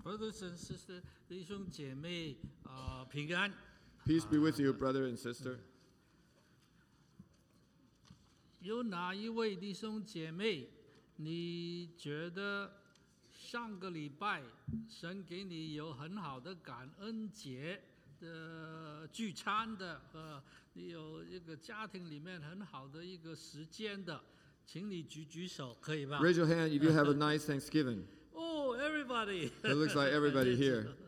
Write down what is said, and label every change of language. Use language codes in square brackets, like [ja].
[en] Brothers and sisters, [zh] 弟兄姐妹，平安。 [en] Peace be with you, brother and sister. [zh] 有哪一位弟兄姐妹，你觉得上个礼拜神给你有很好的感恩节的聚餐的，你有一个家庭里面很好的一个时间的，请你举举手，可以吧 [en] ？Raise your hand if you have a nice Thanksgiving. Oh, everybody! It looks like everybody here.